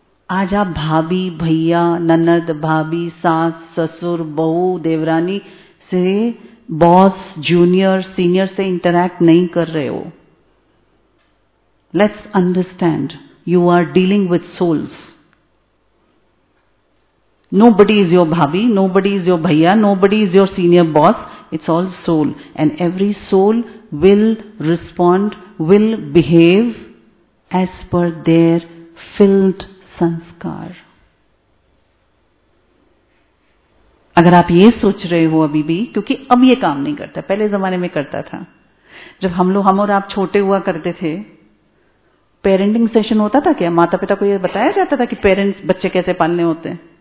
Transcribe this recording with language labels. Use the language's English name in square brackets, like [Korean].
[Hindi] आज आप भाभी, भैया, ननद, भाभी, सास, ससुर, बहू, देवरानी से, बॉस, जूनियर, सीनियर से इंटरैक्ट नहीं कर रहे हो। [English] Let's understand you are dealing with souls, Nobody is your bhabhi, nobody is your bhaiya, nobody is your senior boss. It's all soul. And every soul will respond, will behave as per their filled sanskar. [Hindi] अगर आप ये सोच रहे हो अभी भी, क्योंकि अब ये काम नहीं करता, पहले जमाने में करता था, जब हम लोग, हम और आप छोटे हुआ करते थे, पेरेंटिंग सेशन होता था क्या? माता पिता को ये बताया जाता था कि पेरेंट्स बच्चे कैसे पालने होते हैं?